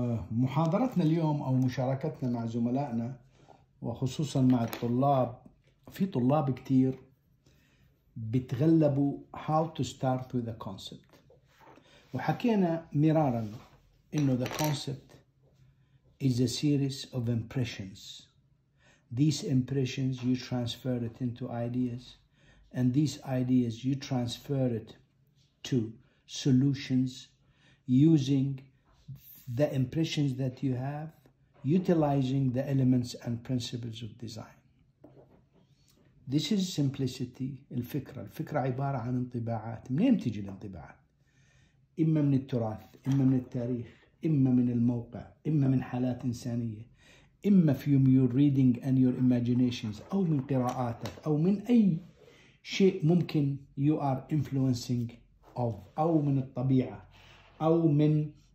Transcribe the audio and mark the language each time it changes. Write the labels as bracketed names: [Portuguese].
[Arabic] محاضرتنا اليوم أو مشاركتنا مع زملائنا وخصوصا مع الطلاب، في طلاب كتير بتغلبوا [English] how to start with the concept، [Arabic] وحكينا مرارا إنه [English] the concept is a series of impressions. These impressions you transfer it into ideas, and these ideas you transfer it to solutions using the impressions that you have, utilizing the elements and principles of design. This is simplicity. [Arabic] الفكرة، الفكرة عبارة عن انطباعات. منين تجي الانطباعات؟ إما من التراث، إما من التاريخ، إما من الموقع، إما من حالات إنسانية، إما [English] from your reading and your imaginations، [Arabic] أو من قراءاتك، أو من أي شيء ممكن [English] you are influencing of، [Arabic] أو من الطبيعة، أو من